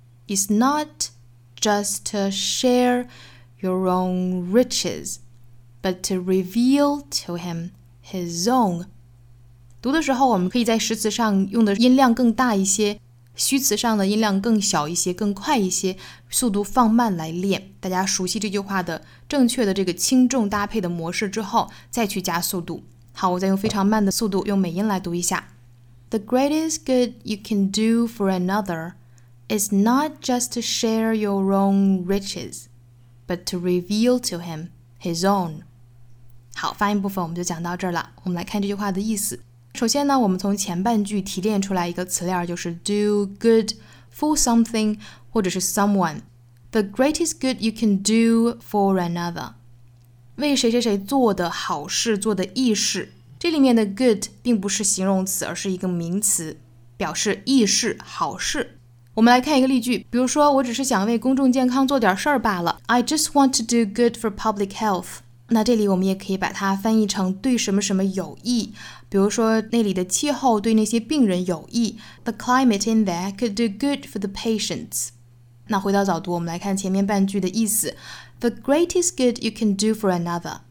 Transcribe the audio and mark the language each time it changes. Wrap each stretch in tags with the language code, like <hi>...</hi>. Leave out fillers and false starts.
<en>It's not just to share your own riches, but to reveal to him his own.</en> <zh>读的时候我们可以在实词上用的音量更大一些，虚词上的音量更小一些，更快一些，速度放慢来练。大家熟悉这句话的正确的这个轻重搭配的模式之后，再去加速度。好，我再用非常慢的速度用美音来读一下。</zh> <en>The greatest good you can do for another is not just to share your own riches, but to reveal to him his own.</en> <zh>好，发音部分我们就讲到这儿了。我们来看这句话的意思。首先呢，我们从前半句提炼出来一个词链，就是</zh> <en>do good for something</en> <zh>或者是 someone.</zh> <en>The greatest good you can do for another.</en> <zh>为谁谁谁做的好事，做的义事。这里面的 good 并不是形容词，而是一个名词，表示义事、好事。我们来看一个例句，比如说，我只是想为公众健康做点事儿罢了。</zh> <en>I just want to do good for public health。</en> <zh>那这里我们也可以把它翻译成对什么什么有益，比如说那里的气候对那些病人有益。</zh> <en>The climate in there could do good for the patients。</en> <zh>那回到早读，我们来看前面半句的意思。</zh> <en>The greatest good you can do for another.</en>